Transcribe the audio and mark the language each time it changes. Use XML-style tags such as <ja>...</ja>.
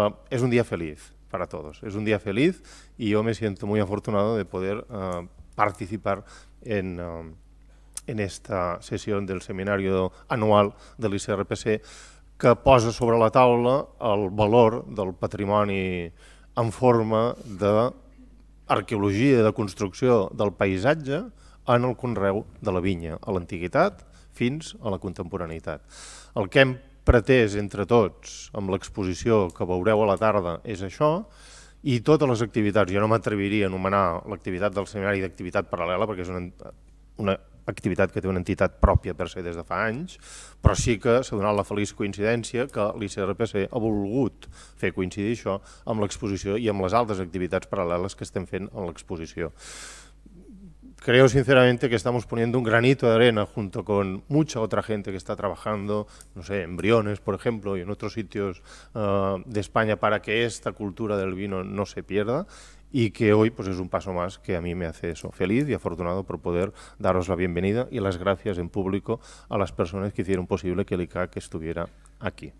<es>es un día feliz para todos, es un día feliz y yo me siento muy afortunado de poder participar en esta sesión del seminario anual de</es> <ca>l'ICRPC que posa sobre la taula el valor del patrimoni en forma d'arqueologia i de construcció del paisatge en el conreu de la vinya, a l'antiguitat fins a la contemporaneïtat. El que hem pretès entre tots amb l'exposició que veureu a la tarda és això, i totes les activitats, jo no m'atreviria a anomenar l'activitat del seminari d'activitat paral·lela, perquè és una activitat que té una entitat pròpia per ser des de fa anys, però sí que s'ha donat la feliç coincidència que l'ICRPC ha volgut fer coincidir això amb l'exposició i amb les altres activitats paral·leles que estem fent en l'exposició.</ca> <es>Creo sinceramente que estamos poniendo un granito de arena junto con mucha otra gente que está trabajando, no sé, en Briones, por ejemplo, y en otros sitios de España para que esta cultura del vino no se pierda y que hoy pues, es un paso más que a mí me hace eso feliz y afortunado por poder daros la bienvenida y las gracias en público a las personas que hicieron posible que el ICAC estuviera aquí.</es>